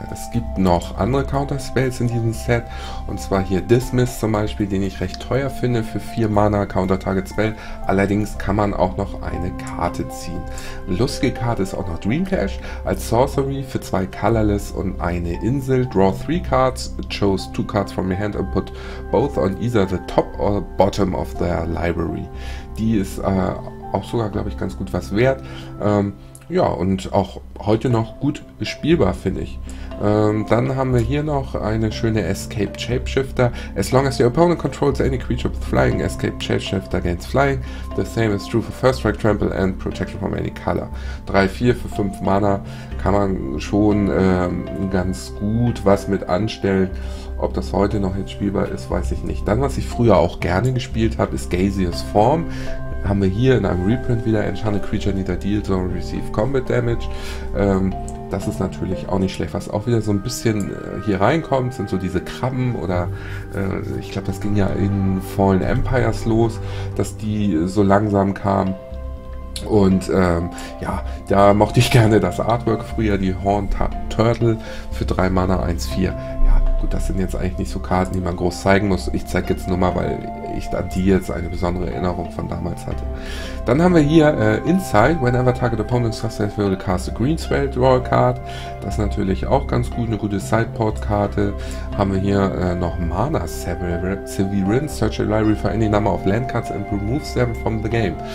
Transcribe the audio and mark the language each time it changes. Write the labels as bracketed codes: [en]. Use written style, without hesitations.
[de] Es gibt noch andere Counterspells in diesem Set. Und zwar hier Dismiss zum Beispiel, den ich recht teuer finde für 4 Mana Counter-Target-Spell. Allerdings kann man auch noch eine Karte ziehen. Lustige Karte ist auch noch Dreamcash als Sorcery für 2 Colorless und eine Insel. [en] Draw 3 Cards, choose 2 Cards from your hand and put both on either the top or bottom of their library. [de] Die ist auch sogar, glaube ich, ganz gut was wert. Und auch heute noch gut spielbar, finde ich. Dann haben wir hier noch eine schöne Escape Shapeshifter. [en] As long as your opponent controls any creature with flying, Escape Shapeshifter gains flying. The same is true for First Strike Trample and Protection from any color. [de] 3-4 für 5 Mana kann man schon ganz gut was mit anstellen. Ob das heute noch jetzt spielbar ist, weiß ich nicht. Dann, was ich früher auch gerne gespielt habe, ist Gaseous Form. Haben wir hier in einem Reprint wieder [en] Enchanted Creature Neither Deals or Receive Combat Damage. [de] Das ist natürlich auch nicht schlecht. Was auch wieder so ein bisschen hier reinkommt, sind so diese Krabben oder ich glaube, das ging ja in Fallen Empires los, dass die so langsam kamen. Und da mochte ich gerne das Artwork früher, die Horned Turtle für 3 Mana 1-4. Gut, das sind jetzt eigentlich nicht so Karten, die man groß zeigen muss. Ich zeige jetzt nur mal, weil ich an die jetzt eine besondere Erinnerung von damals hatte. Dann haben wir hier [en] Inside. Whenever target opponent casts a spell, cast a green spell, draw a card. [de] Das ist natürlich auch ganz gut, eine gute Sideport-Karte. Haben wir hier noch Mana Severin. [en] Search your library for any number of land cards and remove them from the game.